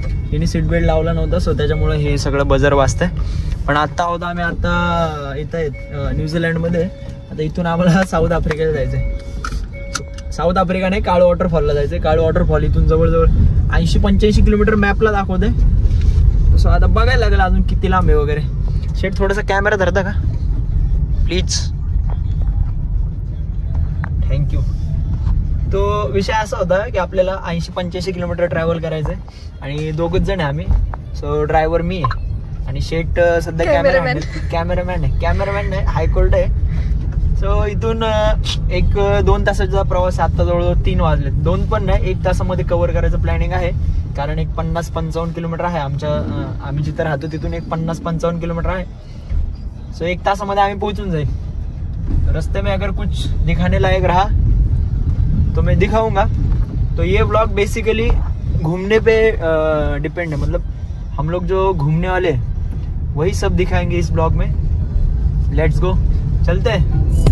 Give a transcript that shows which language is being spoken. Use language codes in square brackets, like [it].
[mr] हिने seat belt लावला नव्हता, सो त्याच्यामुळे हे सगळं बजर वाजतंय, पण आत्ता आहोत आम्ही आत्ता इथं आहेत न्यूझीलँडमध्ये, आता इथून आम्हाला साऊथ आफ्रिकेला जायचं आहे, साऊथ आफ्रिका नाही काळू वॉटरफॉलला जायचं आहे, काळू वॉटरफॉल इथून जवळजवळ 80-85 किलोमीटर मॅपला दाखवत आहे, सो आता बघायला लागेल अजून किती लांब आहे वगैरे। शेट थोडासा कॅमेरा धरता का प्लीज, थँक्यू। तो विषय असा होता की आपल्याला 80-85 किलोमीटर ट्रॅव्हल करायचं आहे आणि दोघंच जण आहे आम्ही, सो ड्रायव्हर मी आहे आणि शेट सध्या कॅमेरामॅन आहे, हायकोर्ट आहे। सो इथून एक 2 तासाचा प्रवास, आता जवळजवळ 3 वाजले, 2 पण नाही 1 तासामध्ये कव्हर करायचं प्लॅनिंग आहे, कारण एक 50-55 किलोमीटर आहे आमच्या, आम्ही जिथं राहतो तिथून एक 50-55 किलोमीटर आहे, सो 1 तासामध्ये आम्ही पोहोचून जाईल। [hi] रस्ते मी अगर कुछ दिखाने लायक राहा तो मी दिखाऊंगा। तो ये ब्लॉग बेसिकली घूमने पे डिपेंड आहे, मतलब हम लोग जो घूमने वाले वही सब दिखाएंगे इस ब्लॉग में, [en] let's go [hi] चलते हैं।